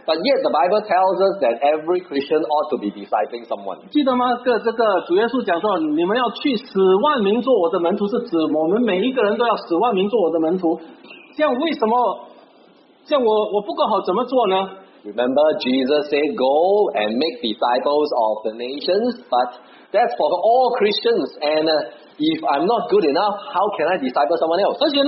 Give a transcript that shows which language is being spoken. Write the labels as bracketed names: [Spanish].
[English] But yet the Bible tells us that every Christian ought to be discipling someone. [Chinese] 记得吗？这个主耶稣讲说，你们要去使万民做我的门徒，是指我们每一个人都要使万民做我的门徒。这样为什么？这样我不够好，怎么做呢？ [English] Remember, Jesus said, go and make disciples of the nations, but that's for all Christians. And if I'm not good enough, how can I disciple someone else?